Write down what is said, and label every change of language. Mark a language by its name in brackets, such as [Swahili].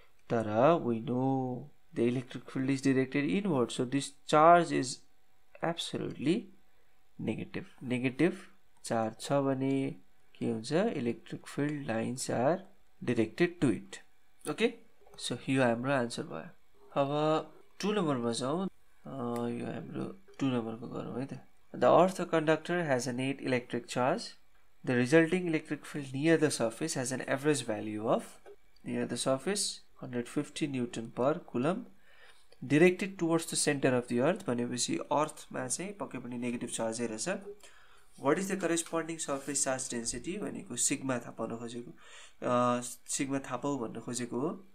[English] तर we know the electric field is directed inward so this charge is absolutely negative. [Nepali] Negative charge छ भने के हुन्छ [English] Electric field lines are directed to it. [Nepali] Okay so यो हाम्रो answer भयो. अब टु नम्बरमा जाउँ. यो हाम्रो टु नम्बरको गरौँ है त. [English] The earth conductor has a net electric charge. The resulting electric field near the surface has an average value of near the surface 150 newton per coulomb directed towards the center of the earth. [Nepali] भनेपछि अर्थमा चाहिँ पक्कै पनि negative चार्जै रहेछ. [English] what is the corresponding surface charge density [Nepali] भनेको sigma थापाउन खोजेको sigma थापाऊ भन्न खोजेको हो.